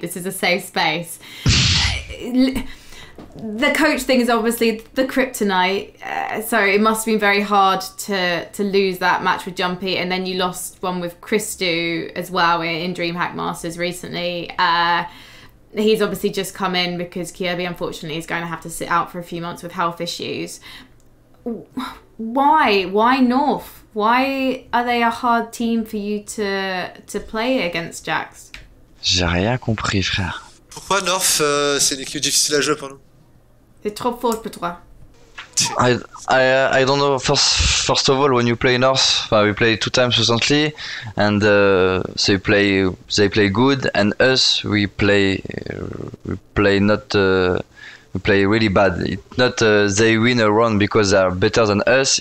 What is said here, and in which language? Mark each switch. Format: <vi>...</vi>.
<en>This is a safe space. The coach thing is obviously the kryptonite, so it must have been very hard to lose that match with Jumpy, and then you lost one with Christu as well in DreamHack Masters recently. He's obviously just come in because Kirby unfortunately is going to have to sit out for a few months with health issues. Why North? Why are they a hard team for you to play against, Jackz?</en> <fr>J'ai rien compris, frère. Pourquoi North, c'est une équipe difficile à jouer pour nous? C'est trop fort pour toi.</fr> <en>I don't know. First of all, when you play North, we play two times recently, and they play good, and us we play really bad. It's not they win a round because they're better than us.</en>